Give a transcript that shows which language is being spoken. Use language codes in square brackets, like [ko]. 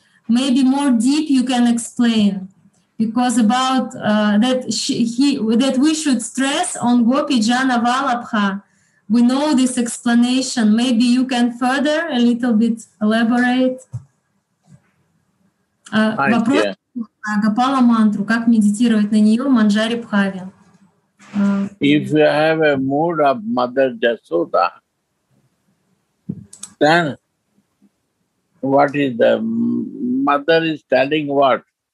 [en] Maybe more deep you can explain, because about that we should stress on Gopi Jana Valabha. We know this explanation. Maybe you can further a little bit elaborate [ru] Вопрос на Гопала мантру. Как медитировать на нее Манджари Бхаве? [en] If you have a mood of Mother Jasoda, then what is the mother is telling what?